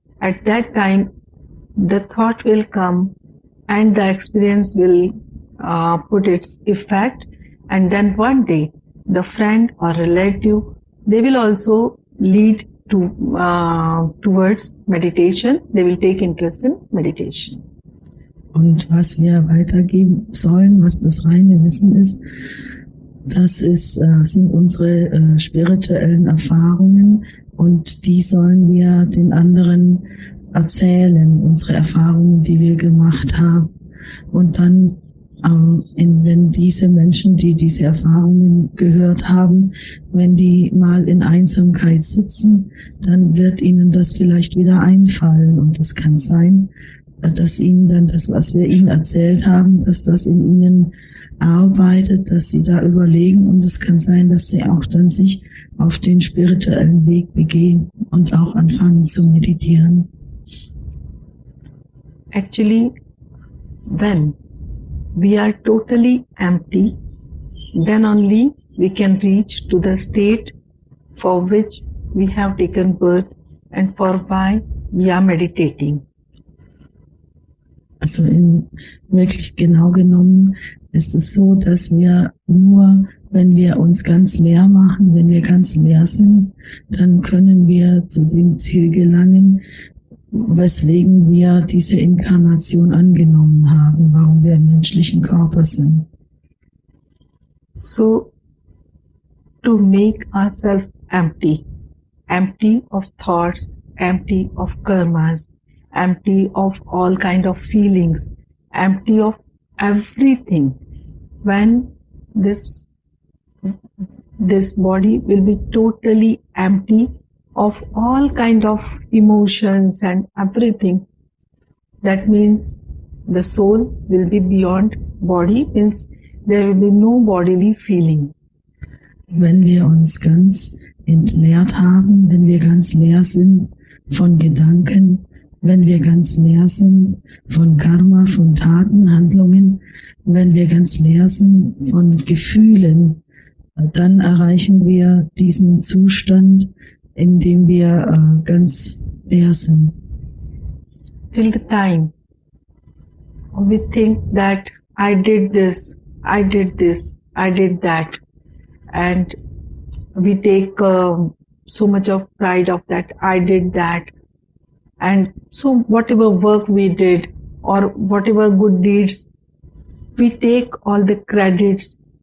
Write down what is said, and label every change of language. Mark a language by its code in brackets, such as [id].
[en] At that time, the thought will come and the experience will put its effect. And then one day, the friend or relative, they will also lead towards meditation. They will take interest in meditation. [de] Und was wir weitergeben sollen, was das reine Wissen ist, sind unsere spirituellen Erfahrungen und die sollen wir den anderen erzählen, unsere Erfahrungen, die wir gemacht haben. Und dann, wenn diese Menschen, die diese Erfahrungen gehört haben, wenn die mal in Einsamkeit sitzen, dann wird ihnen das vielleicht wieder einfallen und das kann sein, dass ihnen dann das, was wir ihnen erzählt haben, dass das in ihnen arbeitet, dass sie da überlegen und es kann sein, dass sie auch dann sich auf den spirituellen Weg begeben und auch anfangen zu meditieren. [en] Actually, when we are totally empty, then only we can reach to the state for which we have taken birth and for why we are meditating. [de] Also in wirklich genau genommen ist es so, dass wir nur, wenn wir uns ganz leer machen, wenn wir ganz leer sind, dann können wir zu dem Ziel gelangen, weswegen wir diese Inkarnation angenommen haben, warum wir im menschlichen Körper sind. [en] So, to make ourselves empty, empty of thoughts, empty of karmas, empty of all kind of feelings, empty of everything. When this body will be totally empty of all kind of emotions and everything, that means the soul will be beyond body, means there will be no bodily feeling. [de] Wenn wir uns ganz entleert haben, wenn wir ganz leer sind von Gedanken, wenn wir ganz leer sind von Karma, von Taten, Handlungen, wenn wir ganz leer sind von Gefühlen, dann erreichen wir diesen Zustand, in dem wir ganz leer sind. [en] Till the time we think that I did this, I did this, I did that, and we take so much of pride of that, I did that. And so whatever work we did or whatever good deeds, we take all the credits.